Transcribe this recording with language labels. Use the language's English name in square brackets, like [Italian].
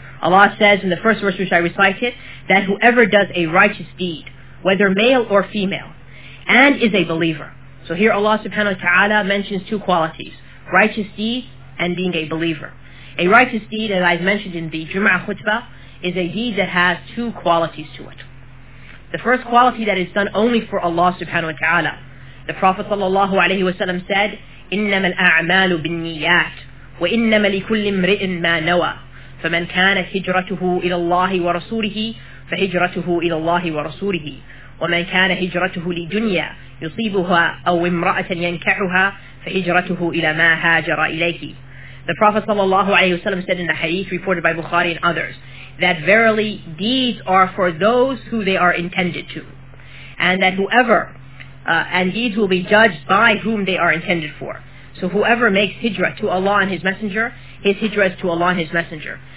[English] Allah says in the first verse which I recited that whoever does a righteous deed, whether male or female, and is a believer. So here Allah subhanahu wa ta'ala mentions two qualities, righteous deeds and being a believer. A righteous deed, as I've mentioned in the Jum'ah khutbah, is a deed that has two qualities to it. The first quality that is done only for Allah subhanahu wa ta'ala. [Arabic] The Prophet sallallahu alayhi wa sallam said, إِنَّمَا الْأَعْمَالُ بِالنِّيَّاتِ وَإِنَّمَا لِكُلِّ امْرِئٍ مَا نَوَى فَمَنْ كَانَتْ هِجْرَتُهُ إِلَى اللَّهِ وَرَسُولِهِ فَهِجْرَتُهُ إِلَى اللَّهِ وَرَسُولِهِ وَمَنْ كَانَ هِجْرَتُهُ لِدُنْيَا يُصِيبُهَا أَوْ امْرَأَةً يَنْكَحُهَا فَهِجْرَتُهُ إِلَى مَا هَاجَرَ إِلَيْهِ. [English] The Prophet sallallahu alayhi wa sallam said in the hadith reported by Bukhari and others that verily deeds are for those who they are intended to, and that whoever and deeds will be judged by whom they are intended for. So whoever makes hijra to Allah and His Messenger, his hijra is to Allah and His Messenger.